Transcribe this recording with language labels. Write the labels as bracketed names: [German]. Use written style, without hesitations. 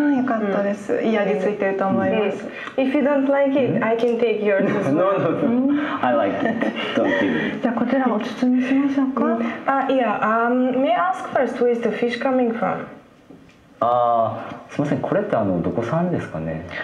[Japanese] どうぞ。硬いからね、噛んでないとね。とっても美味しい。よかったです。いい味ついてると思います。 [English] If you don't like it, I can take yours as well. No. I like it. Don't give it. [Japanese] じゃあこちらお包みしましょうか? [English] May I ask first, where is the fish coming from? [Japanese] すみません、これってどこさんですかね?